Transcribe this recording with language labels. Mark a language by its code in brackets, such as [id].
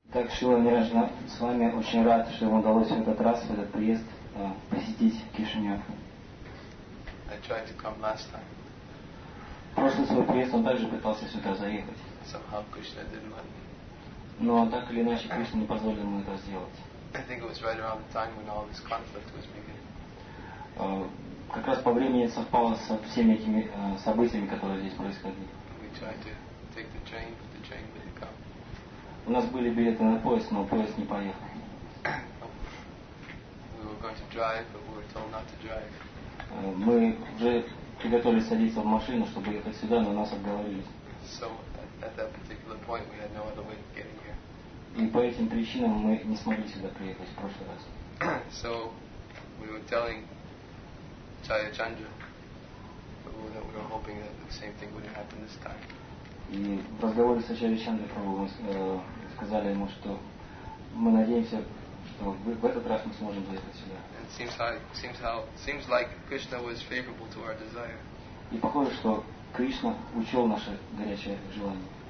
[ru] Так, Шрила Ниранджана, с вами очень рад, что вам удалось в этот раз, в этот приезд, посетить Кишинев. [en] I tried to come last time. [ru] Просто свой приезд он также пытался сюда заехать. [en] Somehow Krishna didn't let me. [ru] Но так или иначе, Кришна не позволил ему это сделать. [en] I think it was right around the time when all this conflict was beginning. [ru] Как раз по времени совпало со всеми этими событиями, которые здесь происходили. [en] We tried to take the train, but the train didn't come. [ru] У нас были билеты на поезд, но поезд не поехал. [en] We were going to drive, but we were told not to drive. [ru] Мы уже приготовились садиться в машину, чтобы ехать сюда, но нас отговорились. [en] So at that particular point we had no other way of getting here. [ru] И по этим причинам мы не смогли сюда приехать в прошлый раз. [en] So we were telling Chayachandra that we were hoping that the same thing wouldn't happen this time. [ru] И в разговоре с Чайачандрой Прабху сказали ему, что мы надеемся, что в этот раз мы сможем доехать сюда. [en] Seems like Krishna was favorable to our desire. [ru] И похоже, что Кришна учел наше горячее желание.